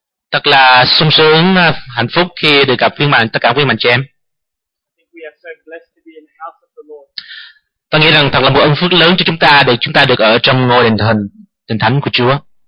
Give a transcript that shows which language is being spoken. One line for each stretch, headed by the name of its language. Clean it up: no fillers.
Vietnamese: Thật là sung sướng, hạnh phúc khi được gặp quý bạn, tất cả quý bạn chị em.
English: I think we are so blessed to be in the house of the Lord.
Vietnamese: Tôi nghĩ rằng thật là một ân phước lớn cho chúng ta để chúng ta được ở trong ngôi đền thánh của Chúa.